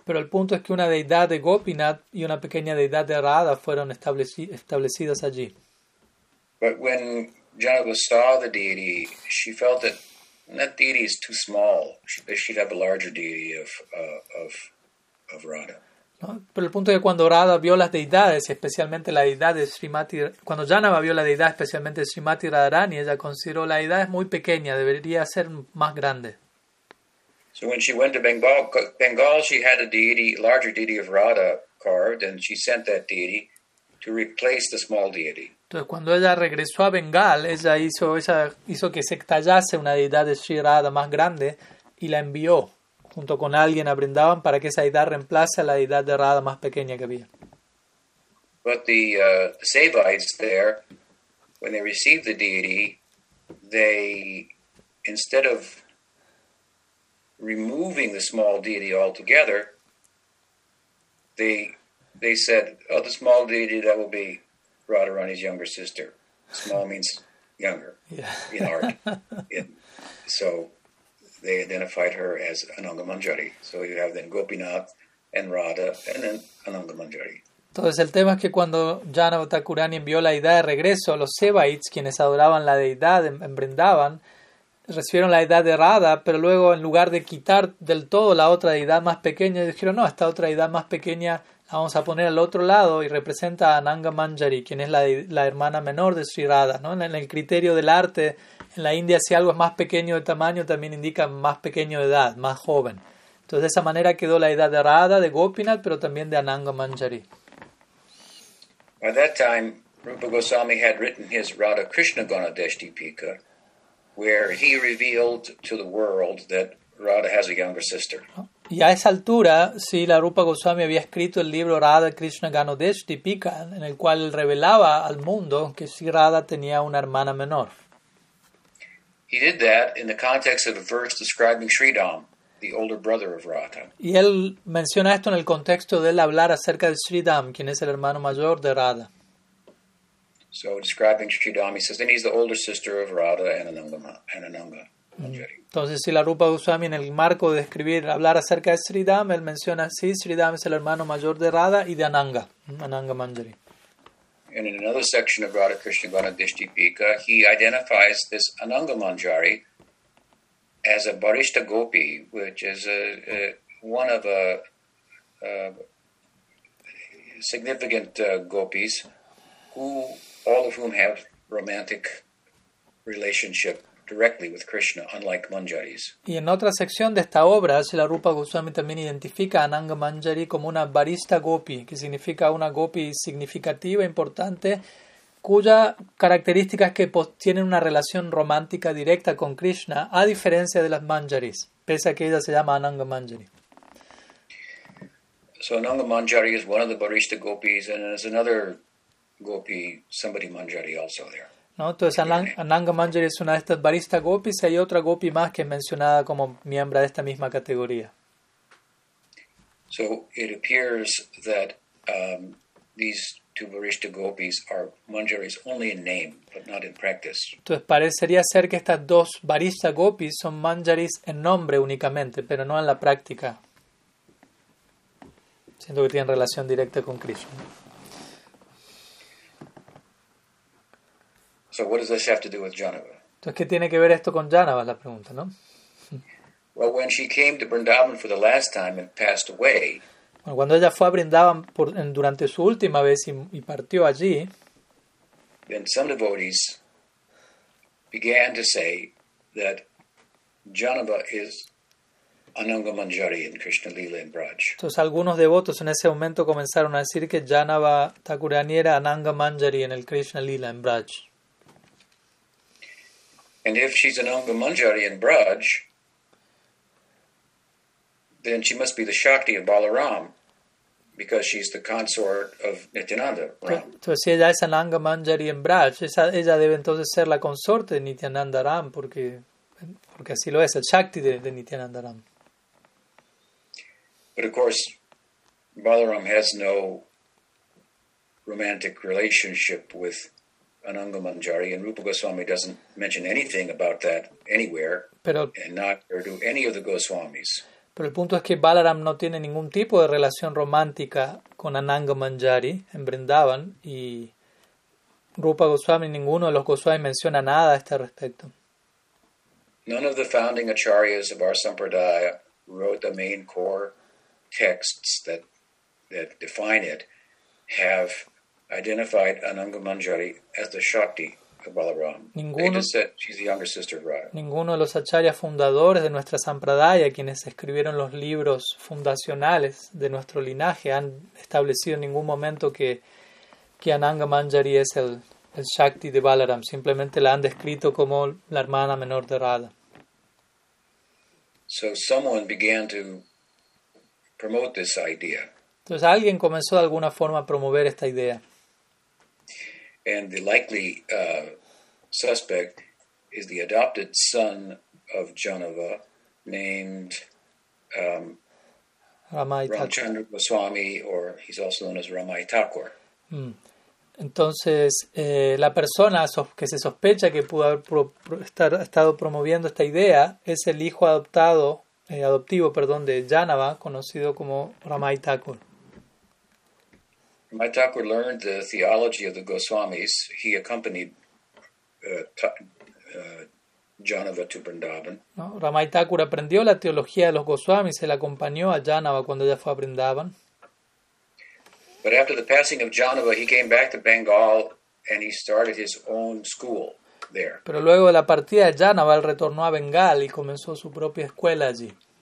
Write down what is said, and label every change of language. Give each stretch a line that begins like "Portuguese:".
Spanish: Pero el punto es que una deidad de Gopinath y una pequeña deidad de Radha fueron establecidas allí.
English: But when Janava saw the deity, she felt that that deity is too small. She'd have a larger deity of Radha.
Spanish: No, pero el punto es que cuando Radha vio las deidades, especialmente la deidad de Srimati, cuando Janava vio la deidad, especialmente de Srimati Radharani, ella consideró la deidad es muy pequeña, debería ser más grande.
English: So when she went to Bengal, she had a deity, larger deity of Radha carved, and she sent that deity to replace the small deity.
Spanish: Entonces cuando ella regresó a Bengal, ella hizo que se tallase una deidad de Sri Radha más grande y la envió junto con alguien a Vrindavan para que esa deidad reemplace a la deidad de Radha más pequeña que había.
English: But the Saivites there, when they received the deity, they, instead of removing the small deity altogether, they said, oh, the small deity, that will be Radharani's younger sister. Small means younger, yeah. In art. So they identified her as Anangamanjari. So you have then Gopinath, en Radha and in Ananda Manjari.
Spanish: Entonces el tema es que cuando Janava Thakurani envió la deidad de regreso a los Sevaits, quienes adoraban la deidad en Vrindavan, recibieron la deidad de Radha, pero luego en lugar de quitar del todo la otra deidad más pequeña, dijeron, no, esta otra deidad más pequeña la vamos a poner al otro lado y representa a Ananga Manjari, quien es la hermana menor de Sri Radha, ¿no? En el criterio del arte, en la India, si algo es más pequeño de tamaño, también indica más pequeño de edad, más joven. Entonces de esa manera quedó la deidad de Radha, de Gopinath, pero también de Ananga Manjari.
English: By that time, Rupa Goswami had written his Radha Krishna Ganadesh Deepika, where he revealed to the world that Radha has a younger sister.
Spanish: Y a esa altura, sí, la Rupa Goswami había escrito el libro Radha Krishna Ganadesh Deepika, en el cual revelaba al mundo que sí, Radha tenía una hermana menor.
English: He did that in the context of a verse describing Sri Dham, the older brother of Radha.
Spanish: Y él menciona esto en el contexto de él hablar acerca de Sri Dham, quien es el hermano mayor de Radha.
English: So describing Sri Dham, he says, then he's the older sister of Radha and Ananga.
Spanish: Entonces, si la Rupa Goswami en el marco de escribir, hablar acerca de Sri Dham, él menciona, sí, Sri Dham es el hermano mayor de Radha y de Ananga, Ananga Manjari.
English: And in another section of Radha Krishna Ganadesh Deepika, he identifies this Ananga Manjari as a Barishta Gopi, which is one of a significant gopis, who all of whom have romantic relationship directly with Krishna, unlike Manjaris.
Spanish: Y en otra sección de esta obra, Srila Rupa Goswami también identifica a Ananga Manjari como una barista gopi, que significa una gopi significativa, importante, cuya característica es que tienen una relación romántica directa con Krishna, a diferencia de las Manjaris, pese a que ella se llama Ananga Manjari.
English: So Ananga Manjari is one of the barista gopis, and there's another gopi, somebody Manjari also there.
Spanish: ¿No? Entonces Ananga Manjari es una de estas barista gopis y hay otra gopi más que es mencionada como miembro de esta misma categoría.
English: So it appears that these two barista gopis are Manjaris only in name, but not in practice.
Spanish: Entonces parecería ser que estas dos barista gopis son Manjaris en nombre únicamente, pero no en la práctica. Siento que tienen relación directa con Krishna.
English: So what does this have to do with Janava?
Spanish: Entonces, ¿qué tiene que ver esto con Janava, la pregunta, ¿no?
English: Well, when she came to Vrindavan for the last time and passed away.
Spanish: Bueno, cuando ella fue a Vrindavan durante su última vez y partió allí.
English: Then some devotees began to say that Janava is Ananga Manjari in Krishna Lila and Braj.
Spanish: Entonces, algunos devotos en ese momento comenzaron a decir que Janava Thakurani era Ananga Manjari en el Krishna Lila and Braj.
English: And if she's an Ananga Manjari in Braj, then she must be the Shakti of Balaram, because she's the consort of Nityananda, Ram.
Spanish: Entonces, si ella es Ananga Manjari en Braj, ella debe entonces ser la consorte de Nityananda Ram, porque así lo es, el Shakti de Nityananda Ram.
English: But of course, Balaram has no romantic relationship with Ananga Manjari, and Rupa Goswami doesn't mention anything about that anywhere, and not or do any of the Goswamis.
Spanish: Pero el punto es que Balaram no tiene ningún tipo de relación romántica con Ananga Manjari en Vrindavan, y Rupa Goswami, ninguno de los Goswamis menciona nada a este respecto.
English: None of the founding acharyas of our sampradaya wrote the main core texts that define it have identified Ananga Manjari as the Shakti of Balaram.
Spanish: Ninguno,
English: they just said she's the younger sister of Radha.
Spanish: Ninguno de los acharyas fundadores de nuestra sampradaya, quienes escribieron los libros fundacionales de nuestro linaje, han establecido en ningún momento que Ananga Manjari es el Shakti de Balaram. Simplemente la han descrito como la hermana menor de Radha.
English: So someone began to promote this idea.
Spanish: Entonces alguien comenzó de alguna forma a promover esta idea.
English: And the likely suspect is the adopted son of Janava named Ramchandra Goswami, or he's also known as Ramai Thakur.
Spanish: Entonces la persona que se sospecha que pudo haber estado promoviendo esta idea es el hijo adoptado, adoptivo, perdón, de Janava, conocido como Ramai Thakur.
English: Ramai Thakur learned the theology of the Goswamis. He accompanied Janava to Vrindavan.
Spanish: No, Ramai Thakur aprendió la teología de los Goswamis, él acompañó a Janava cuando ella fue a Vrindavan. But after the passing of Janava, he came back to Bengal and he started his own school there. Pero luego de la partida de Janava, él retornó a Bengal y comenzó su propia escuela allí.